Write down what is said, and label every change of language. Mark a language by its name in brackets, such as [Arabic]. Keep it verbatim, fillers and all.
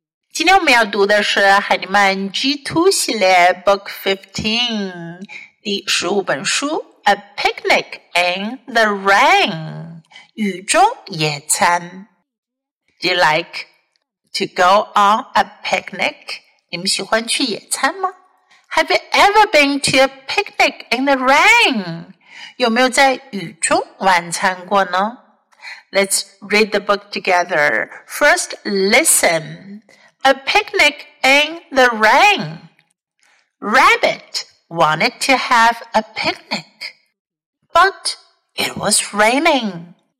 [Chinese] 今天我们要读的是海尼曼 G 二 系列 Book fifteen 第十五本书 A Picnic in the Rain 雨中野餐。 [English] Do you like to go on a picnic? [Chinese] 你们喜欢去野餐吗？ [English] Have you ever been to a picnic in the rain? [Chinese] 有没有在雨中晚餐过呢？ [English] Let's read the book together. First, listen. A picnic in the rain. Rabbit wanted to have a picnic, but it was raining.